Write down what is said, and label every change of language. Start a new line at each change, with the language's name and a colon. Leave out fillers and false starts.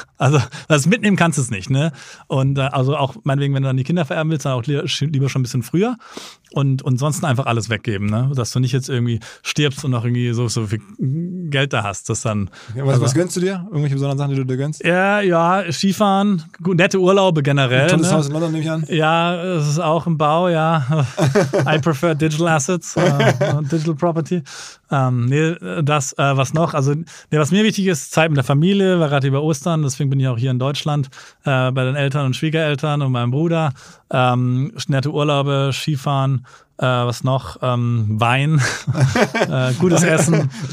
German: Also das mitnehmen kannst du es nicht. Ne? Und also auch meinetwegen, wenn du dann die Kinder vererben willst, dann auch lieber schon ein bisschen früher. Und sonst einfach alles weggeben. Ne? Dass du nicht jetzt irgendwie stirbst und noch irgendwie so viel Geld da hast. Dass dann, ja, was gönnst du dir? Irgendwelche besonderen Sachen, die du dir gönnst? Ja, Skifahren, nette Urlaube generell. Tolles Haus in London, nehme ich an. Ja, es ist auch im Bau, ja.
English: I prefer digital assets, digital property.
German: Was noch? Also, was mir wichtig ist, Zeit mit der Familie, war gerade über Ostern, deswegen bin ich auch hier in Deutschland, bei den Eltern und Schwiegereltern und meinem Bruder. Nette Urlaube, Skifahren, was noch? Wein, gutes Essen.